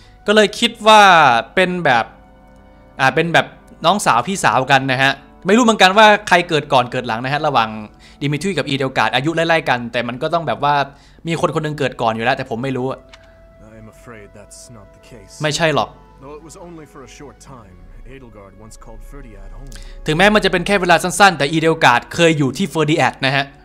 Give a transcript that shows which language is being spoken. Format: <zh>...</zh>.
<th>ก็เลยคิดว่าเป็นแบบน้องสาวพี่สาวกันนะฮะไม่รู้เหมือนกันว่าใครเกิดก่อนเกิดหลังนะฮะระหว่างดิมิทรีกับอีเดลการ์ดอายุไล่ๆกันแต่มันก็ต้องแบบว่ามีคนคนนึงเกิดก่อนอยู่แล้วแต่ผมไม่รู้</th> <en>Afraid that's not the case.</en> <th>ไม่ใช่หรอก</th> <en>Though it was only for a short time, Edelgard once called Ferdiad home.</en> <th>ถึงแม้มันจะเป็นแค่เวลาสั้นๆแต่อีเดลการ์ดเคยอยู่ที่เฟอร์ดิแอดนะฮะ</th>